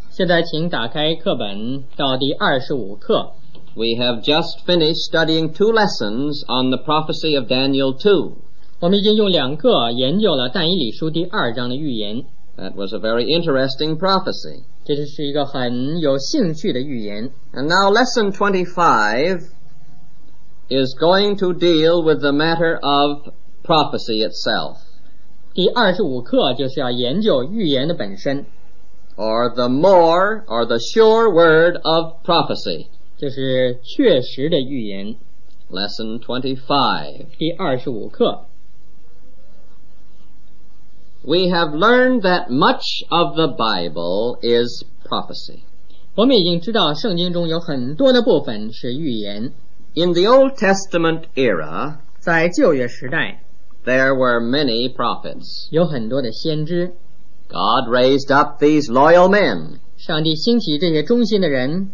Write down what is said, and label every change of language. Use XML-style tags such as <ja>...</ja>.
<zh>现在请打开课本到第25课。</zh> <en>We have just finished studying two lessons on the prophecy of Daniel 2.</en> <zh>我们已经用两课研究了但以理书第二章的预言。</zh> <en>That was a very interesting prophecy.</en> <zh>这是一个很有兴趣的预言。</zh> <en>And now Lesson 25 is going to deal with the matter of prophecy itself.</en> <zh>第二十五课就是要研究预言的本身</zh> <en>or the more or the sure word of prophecy</en> <zh>就是确实的预言</zh> <en>Lesson 25</en> <zh>第二十五课</zh> <en>We have learned that much of the Bible is prophecy</en> <zh>我们已经知道圣经中有很多的部分是预言</zh> <en>In the Old Testament era</en> <zh>在旧约时代</zh> <en>There were many prophets.</en> <zh>有很多的先知。</zh> <en>God raised up these loyal men.</en> <zh>上帝兴起这些忠心的人。</zh>